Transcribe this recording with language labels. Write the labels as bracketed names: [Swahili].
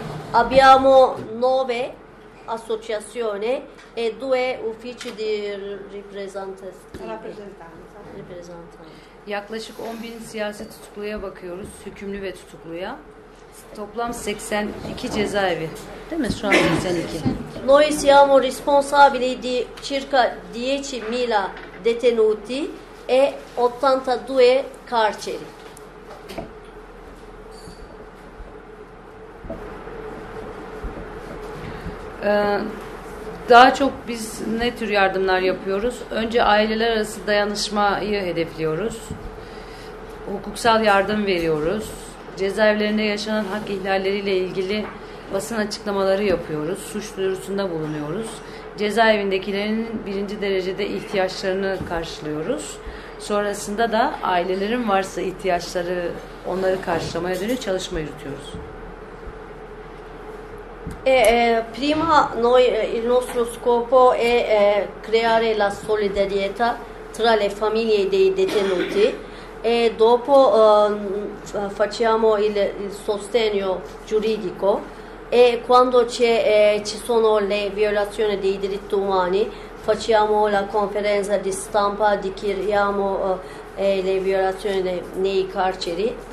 [Italian] Abbiamo 9 associazioni e 2 uffici di rappresentanza. [Turkish] Yaklaşık 10.000 siyasi tutukluya bakıyoruz, hükümlü ve tutukluya. Toplam 82 cezaevi. Değil mi? Şu an 82. [Italian] Noi siamo responsabili di circa 10.000 detenuti e 82 carceri. [Turkish] Daha çok biz ne tür yardımlar yapıyoruz? Önce aileler arası dayanışmayı hedefliyoruz. Hukuksal yardım veriyoruz. Cezaevlerinde yaşanan hak ihlalleriyle ilgili basın açıklamaları yapıyoruz. Suç duyurusunda bulunuyoruz. Cezaevindekilerin birinci derecede ihtiyaçlarını karşılıyoruz. Sonrasında da ailelerin varsa ihtiyaçları onları karşılamaya dönük çalışma yürütüyoruz. [Italian] Prima noi il nostro scopo è creare la solidarietà tra le famiglie dei detenuti e dopo facciamo il sostegno giuridico e quando ci sono le violazioni dei diritti umani facciamo la conferenza di stampa, dichiariamo le violazioni nei carceri.